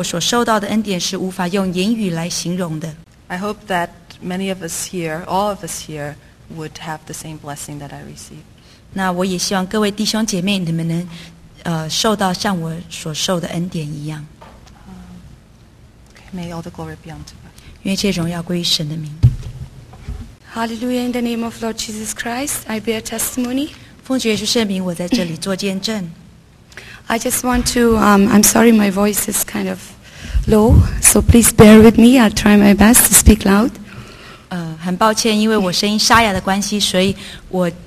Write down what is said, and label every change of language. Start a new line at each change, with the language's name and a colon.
Chinese: 我之所以想要在这边见证，因为我想荣耀神的名，因为我觉得我所受到的恩典是无法用言语来形容的。
English: I hope that many of us here, all of us here, would have the same blessing that I received.
Chinese: 那我也希望各位弟兄姐妹，你们能受到像我所受的恩典一样。
English: May all the glory be unto God.
Chinese: 愿一切荣耀归于神的名。Hallelujah!
English: In the name of Lord Jesus Christ, I bear testimony.
Chinese: 奉主耶稣圣名，我在这里做见证。
English: I just want to. I'm sorry, my voice is kind of low, so please bear with me. I'll try my best to speak loud.
Chinese: 很抱歉，因为我声音沙哑的关系，所以我。